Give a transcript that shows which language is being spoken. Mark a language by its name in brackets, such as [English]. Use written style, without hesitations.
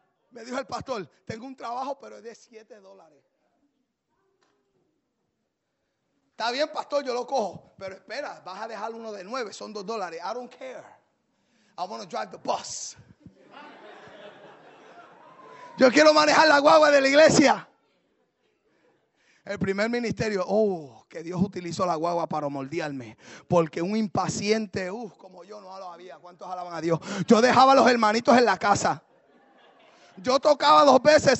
[Spanish] Me dijo el pastor: tengo un trabajo, pero es de $7. Está bien, pastor, yo lo cojo. Pero espera, vas a dejar uno de 9, son $2. [English] I don't care, I want to drive the bus. [Spanish] Yo quiero manejar la guagua de la iglesia. El primer ministerio, oh, que Dios utilizó la guagua para moldearme. Porque un impaciente, como yo no lo había. ¿Cuántos alaban a Dios? Yo dejaba a los hermanitos en la casa. Yo tocaba 2 veces.